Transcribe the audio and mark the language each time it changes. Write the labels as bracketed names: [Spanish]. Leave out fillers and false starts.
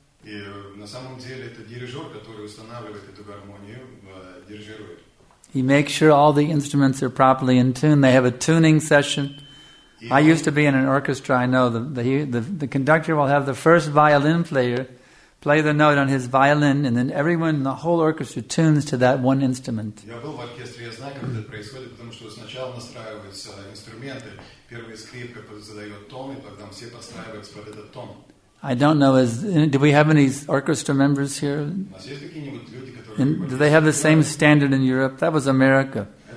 [English] He makes sure all the instruments are properly in tune. They have a tuning session. I used to be in an orchestra. I know the conductor will have the first violin player play the note on his violin, and then everyone in the whole orchestra tunes to that one instrument. [Russian] Я был в оркестре, я знаю, как это происходит, потому что сначала настраиваются инструменты. Первая скрипка задает тон, и потом все подстраиваются под этот тон. [English] I don't know. Do we have any orchestra members here? Do they have the same standard in Europe? That was America.